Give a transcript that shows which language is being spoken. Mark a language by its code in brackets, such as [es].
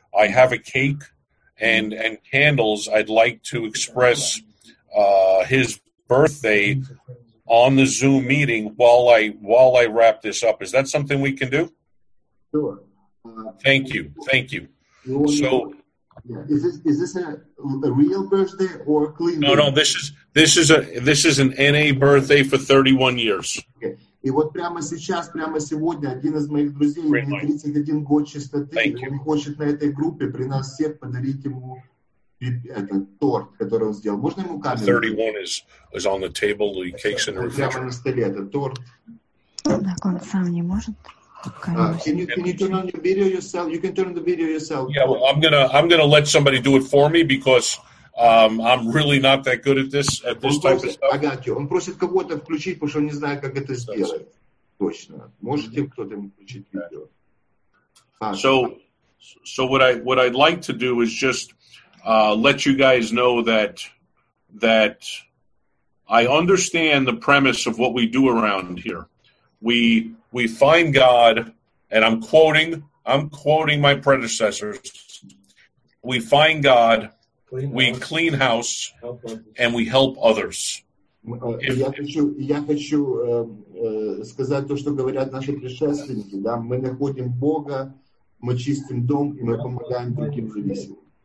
[en] I have a cake and candles. I'd like to express his birthday on the Zoom meeting while I wrap this up. Is that something we can do? Sure. Thank you. So. Yeah. Is this a real birthday or a clean birthday? No, this is an NA birthday for 31 years. Okay. [ru] И вот прямо сейчас, прямо сегодня, один из моих друзей, мне 31 год чистоты, он хочет на этой группе при нас всех подарить ему этот торт, который он сделал. Можно ему камеру? [en] 31 is on the table, the cakes in the refrigerator. [ru] Прямо на столе этот торт. Так он сам не может. [en] Can you turn on your video yourself? You can turn on the video yourself. Yeah, well, I'm gonna let somebody do it for me because I'm really not that good at this type of stuff. I got you. [ru] Он просит кого-то включить, потому что он не знает, как это сделать. Точно. Можете кто-то включить видео? [en] So what I'd like to do is just let you guys know that I understand the premise of what we do around here. We find God, and I'm quoting my predecessors. We find God, we clean house, and we help others. [ru] Я хочу сказать то, что говорят наши предшественники. Да, мы находим Бога, мы чистим дом, и мы помогаем другим зависимым.